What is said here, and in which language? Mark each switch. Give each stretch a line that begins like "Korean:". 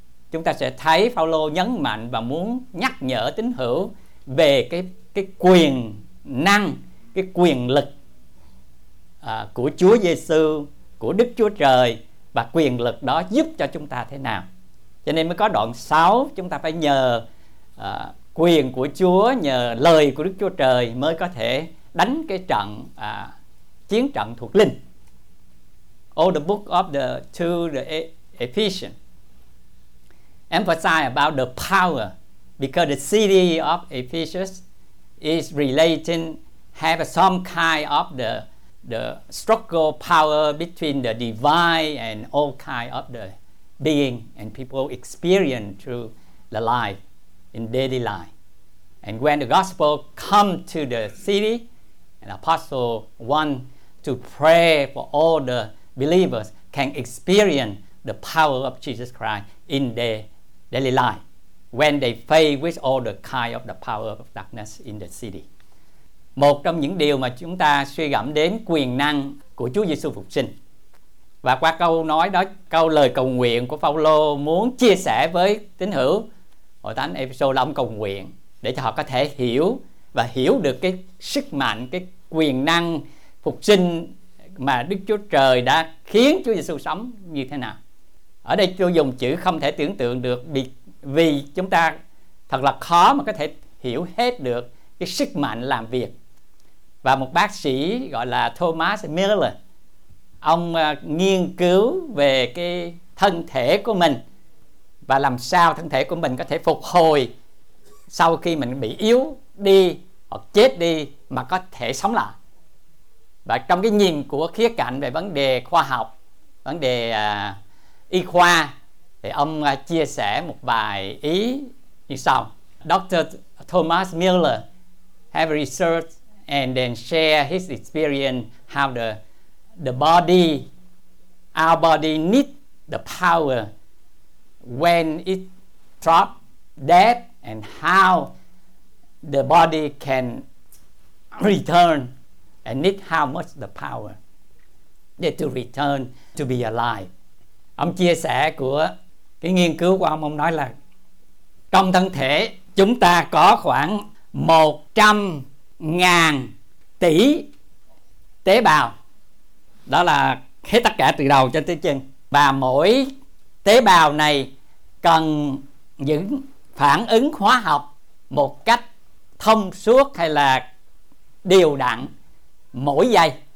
Vietnamese: Chúng ta sẽ thấy Phao-lô nhấn mạnh và muốn nhắc nhở tín hữu về cái quyền năng, cái quyền lực của Chúa Giêsu, của Đức Chúa Trời, và quyền lực đó giúp cho chúng ta thế nào. Cho nên mới có đoạn 6, chúng ta phải nhờ quyền của Chúa, nhờ lời của Đức Chúa Trời mới có thể đánh cái trận chiến trận thuộc linh.
English: All the book of the to the Ephesians emphasize about the power, because the city of Ephesus is relating have some kind of the struggle power between the divine and all kind of the being and people experience through the life in daily life. And when the gospel come to the city, an apostle want to pray for all the believers can experience the power of Jesus Christ in their daily life when they face with all the kind of the power of darkness in the city.
Vietnamese: Một trong những điều mà chúng ta suy gẫm đến quyền năng của Chúa Giêsu phục sinh. Và qua câu nói đó, câu lời cầu nguyện của Phao-lô muốn chia sẻ với tín hữu hội thánh Ê-phê-sô là ông cầu nguyện để cho họ có thể hiểu và hiểu được cái sức mạnh, cái quyền năng phục sinh mà Đức Chúa Trời đã khiến Chúa Giêsu sống như thế nào. Ở đây tôi dùng chữ không thể tưởng tượng được vì chúng ta thật là khó mà có thể hiểu hết được cái sức mạnh làm việc. Và một bác sĩ gọi là Thomas Miller, ông nghiên cứu về cái thân thể của mình và làm sao thân thể của mình có thể phục hồi sau khi mình bị yếu đi hoặc chết đi mà có thể sống lại. Và trong cái nhìn của khía cạnh về vấn đề khoa học, vấn đề y khoa, thì ông chia sẻ một vài ý như sau.
English: Dr. Thomas Miller have researched and then share his experience how the body, our body need the power when it drop dead and how the body can return and need how much the power to return to be alive.
Vietnamese: Ông chia sẻ của cái nghiên cứu của ông nói là trong thân thể chúng ta có khoảng 100.000 tỷ tế bào, đó là hết tất cả từ đầu cho tới chân, và mỗi tế bào này cần những phản ứng hóa học một cách thông suốt hay là đều đặn mỗi giây,